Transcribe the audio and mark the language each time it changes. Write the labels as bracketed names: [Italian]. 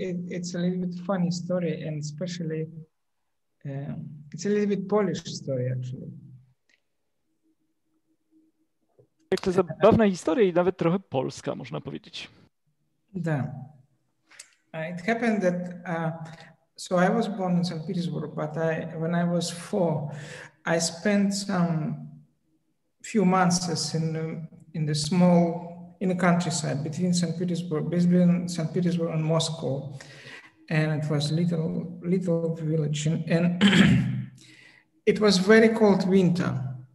[English] It's a little bit funny story and especially it's a little bit Polish story actually. [Polish] Jak to zabawna historia i nawet trochę polska, można powiedzieć. [English] Yeah. It happened that so I was born in St. Petersburg, but when I was four, I spent some few months in the countryside between St. Petersburg, between St. Petersburg and Moscow, and it was little village, and it was very cold winter.